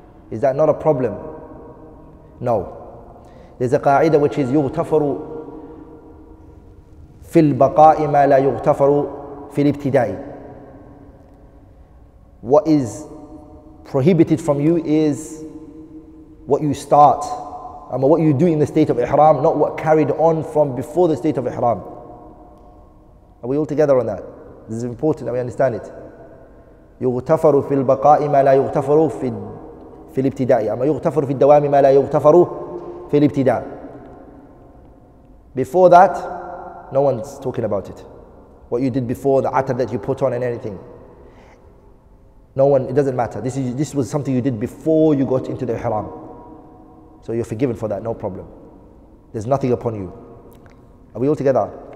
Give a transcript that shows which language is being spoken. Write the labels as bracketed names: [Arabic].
[English] Is that not a problem? No. There's a qa'ida which is [Arabic] yughtafaru fil baqa'i ma la yughtafaru fil ibtida'i. [English] What is prohibited from you is what you start, what you do in the state of ihram, not what carried on from before the state of ihram. Are we all together on that? This is important that we understand it. [Arabic] يغتفر في البقاء ما لا يغتفر في الابتداء أما يغتفر في الدوام ما لا يغتفر في الابتداء. [English] Before that, no one's talking about it. What you did before, the atar that you put on and anything. No one, it doesn't matter. This was something you did before you got into the ihram. So you're forgiven for that, no problem. There's nothing upon you. Are we all together?